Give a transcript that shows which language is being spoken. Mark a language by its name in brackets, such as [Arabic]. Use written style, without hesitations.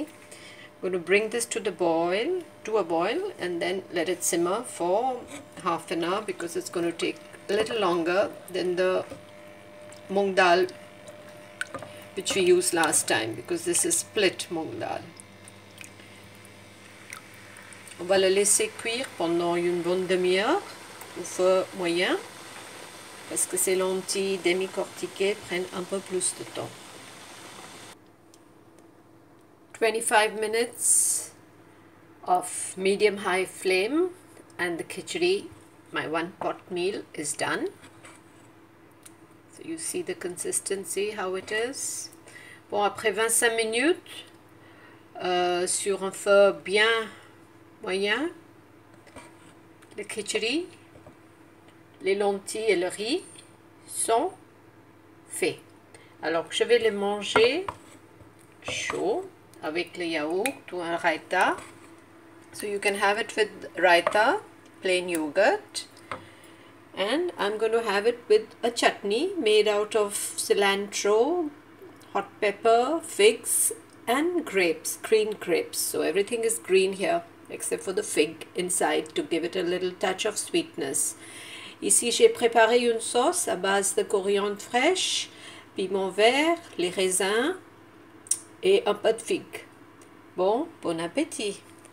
[English] I'm going to bring this to a boil and then let it simmer for half an hour, because it's going to take a little longer than the mung dal which we used last time, because this is split mung dal. [French] On va le laisser cuire pendant une bonne demi-heure au feu moyen, parce que ces lentilles décortiquées prennent un peu plus de temps. [English] 25 minutes of medium-high flame and the khichdi, my 1-pot meal, is done. So you see the consistency, how it is. [French] Bon, après 25 minutes, sur un feu bien moyen, le khichdi, les lentilles et le riz sont faits. Alors, je vais les manger chaud avec le yaourt ou un raita. [English] So, you can have it with raita, plain yogurt. And I'm going to have it with a chutney made out of cilantro, hot pepper, figs and grapes, green grapes. So everything is green here, except for the fig inside to give it a little touch of sweetness. [French] Ici, j'ai préparé une sauce à base de coriandre fraîche, piment vert, les raisins et un peu de figues. Bon, bon appétit!